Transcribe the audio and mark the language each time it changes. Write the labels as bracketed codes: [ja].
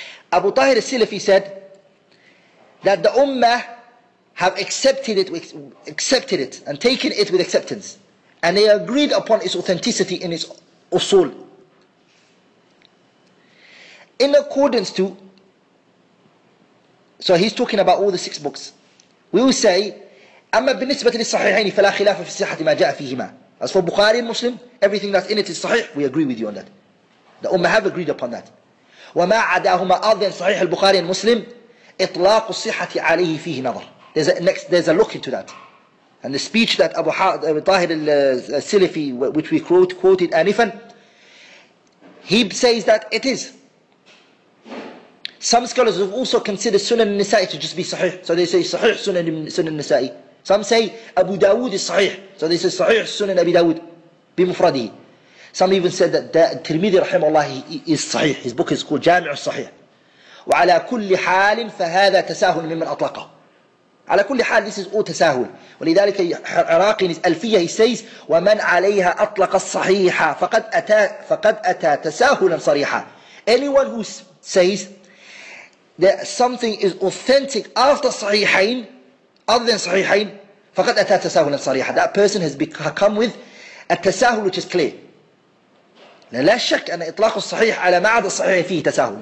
[en] Abu Tahir al-Silafi said that the Ummah have accepted it and taken it with acceptance. And they agreed upon its authenticity in its usul. In accordance to, so he's talking about all the six books. We will say, [ar] أما بالنسبة للصحيحين فلا خلاف في صحة ما جاء فيهما. [en] As for Bukhari and Muslim, everything that's in it is sahih, we agree with you on that. The Ummah have agreed upon that. [ar] وما عداهما أذن صحيح البخاري and Muslim, إطلاق الصحة عليه فيه نظر. [en] There's a look into that. And the speech that Abu Tahir al-Silafi, which we quoted anifan, he says that it is. Some scholars have also considered Sunan al-Nisa'i to just be sahih. So they say sahih Sunan al-Nisa'i. Some say Abu Dawood is sahih. So they say sahih Sunan Abi Dawood bimufradihi. Some even said that Tirmidhi rahimahullah is sahih. His book is called Jami'u al-Sahih. [ar] وَعَلَى كُلِّ حَالٍ فَهَذَا تَسَاهُلٌ مِمَّنْ أَطْلَقَهُ. على كل حال, [en] this is all [ar] تساهل. ولذلك عراقي الألفية, he says, ومن عليها أطلق الصحيحة فقد أتى تساهلا صريحا. [en] Anyone who says that something is authentic after صحيحين, other than صحيحين, [ar] فقد أتى تساهلا صريحا. [en] That person has come with a تساهل which is clear. [ar] لا شك أن إطلاق الصحيح على ما عدا الصحيح فيه تساهل.